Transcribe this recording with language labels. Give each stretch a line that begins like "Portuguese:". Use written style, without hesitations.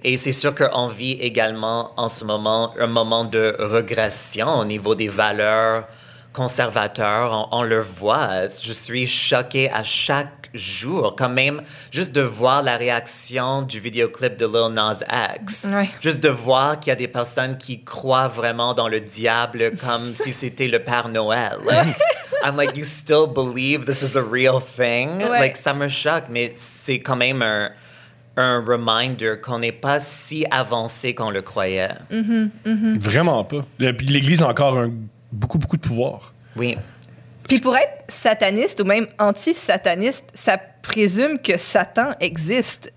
French: Et c'est sûr qu'on vit également en ce moment un moment de régression au niveau des valeurs conservateurs. On le voit. Je suis choquée à chaque jour. Quand même, juste de voir la réaction du vidéoclip de Lil Nas X. Oui. Juste de voir qu'il y a des personnes qui croient vraiment dans le diable comme si c'était le Père Noël.
English: Like, I'm like, you still believe this is a real thing?
French: Oui. Like, ça me choque, mais c'est quand même un reminder qu'on n'est pas si avancé qu'on le croyait. Vraiment pas. L'Église a encore beaucoup, beaucoup de pouvoir. Oui. Puis pour être sataniste ou même anti-sataniste, ça présume que Satan existe.